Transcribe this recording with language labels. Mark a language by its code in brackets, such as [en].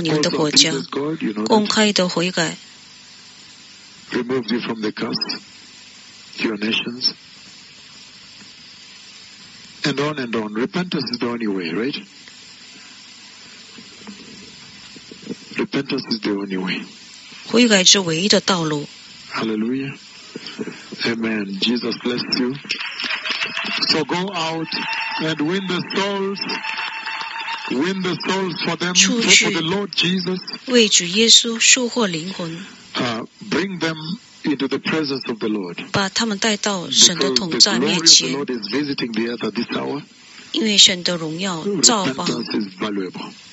[zh] 那雅各的梯子把你重新跟神的国度那连接起来的，这公义带到你们的国家，公开的悔改。 [en] Removed you from the curse, your nations, and on and on. Repentance is the only way, right? Repentance is the only way. [zh] 悔改是唯一的道路. [en] Hallelujah. Amen. Jesus bless you. So go out and win the souls. Win the souls for them. For the Lord Jesus. [zh] 为主耶稣收获灵魂. [en] Bring them into the presence of the Lord. [zh] 把他们带到神的同在面前。 [en] Because the glory of the Lord is visiting the earth at this hour. [zh] 因为神的荣耀造访。 [en] Repentance is valuable.